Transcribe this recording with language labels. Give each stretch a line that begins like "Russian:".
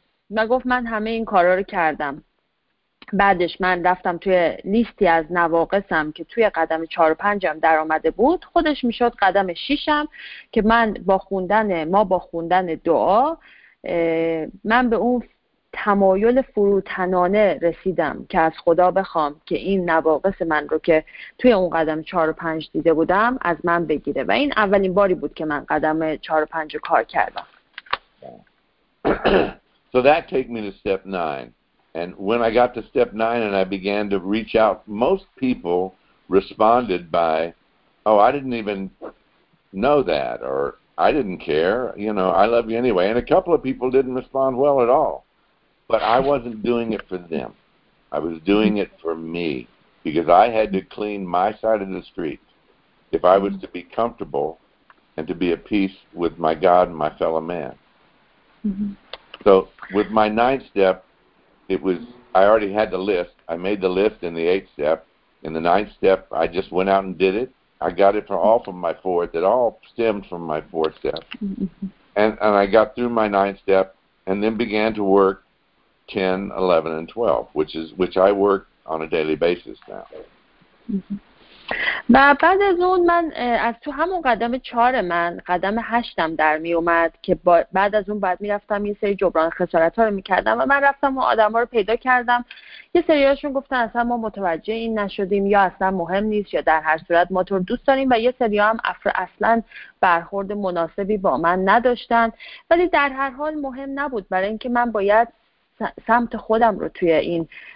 Persian: و گفت من همه این کارا رو کردم. بعدش من رفتم توی لیستی از نواقصم که توی قدم 4 و 5 هم در آمده بود خودش میشد قدم 6 هم که من با خوندن ما با خوندن دعا من به اون تمایل فروتنانه رسیدم که از خدا بخوام که این نواقص من رو که توی اون قدم 4 و 5 دیده بودم از من بگیره و این اولین باری بود که من قدم 4 و 5 رو کار کردم.
English: So that take me to step 9. And when I got to step 9 and I began to reach out, most people responded by, "Oh, I didn't even know that," or "I didn't care, you know, I love you anyway." And a couple of people didn't respond well at all. But I wasn't doing it for them. I was doing it for me because I had to clean my side of the street if I was to be comfortable and to be at peace with my God and my fellow man. Mm-hmm. So with my 9th step, I already had the list. I made the list in the 8th step. In the 9th step, I just went out and did it. I got it from my 4th. It all stemmed from my 4th step. And I got through my 9th step and then began to work 10, 11, and 12, which I work on a daily basis now.
Persian: بعد از اون من از تو همون قدم 4 من قدم 8 هم در می اومد که بعد از اون بعد می رفتم یه سری جبران خسارت ها رو می کردم و من رفتم و آدم ها رو پیدا کردم یه سری هاشون گفتن اصلا ما متوجه این نشدیم یا اصلا مهم نیست یا در هر صورت ما تو رو دوست داریم و یه سری هم اصلا برخورد مناسبی با من نداشتن ولی در هر حال مهم نبود برای اینکه من باید سمت خودم رو توی این